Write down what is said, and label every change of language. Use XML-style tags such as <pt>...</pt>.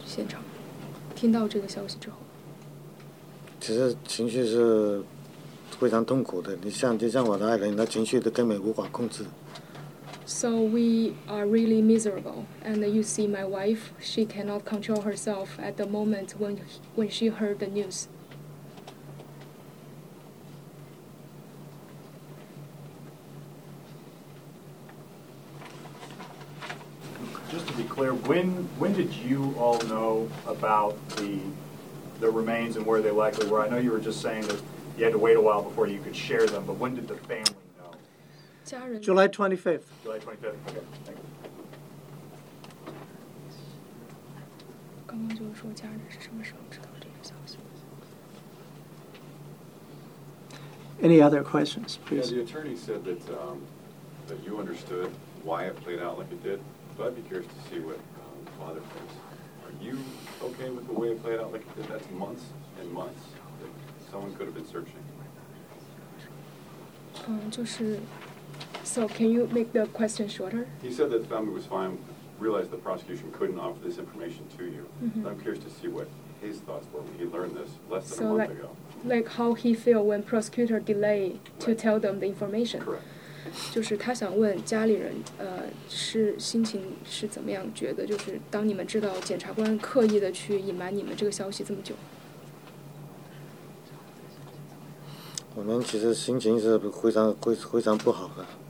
<zh>家人的情绪怎么样在今天早上的发布会现场，听到这个消息之后？其实情绪是非常痛苦的， 你像我的爱人，他情绪都根本无法控制。</zh> <en>So we are really miserable, and you see my wife, she cannot control herself at the moment when she heard the news. Just to be clear, clear, when did you all know about the remains and where they likely were? I know you were just saying that you had to wait a while before you could share them, but when did the family know? July 25th. July 25th, okay, thank you.</en> <zh>刚刚就是说家人是什么时候知道这个消息？</zh> <en>Any other questions, please? Yeah, the attorney said that that you understood why it played out like it did, but I'd be curious to see what father thinks. Are you okay with the way it played out like it did? That's months and months that someone could have been searching.</en> <zh>就是</zh> <en>So can you make the question shorter? He said that the family was fine. Realized the prosecution couldn't offer this information to you. Mm-hmm. I'm curious to see what his thoughts were when he learned this less than a month ago. Like how he feel when prosecutor delay to tell them the information. Correct.</en> <zh>就是他想问家里人是心情是怎么样觉得 就是当你们知道检察官刻意的去隐瞒你们这个消息这么久。我们其实心情是非常不好的。</zh>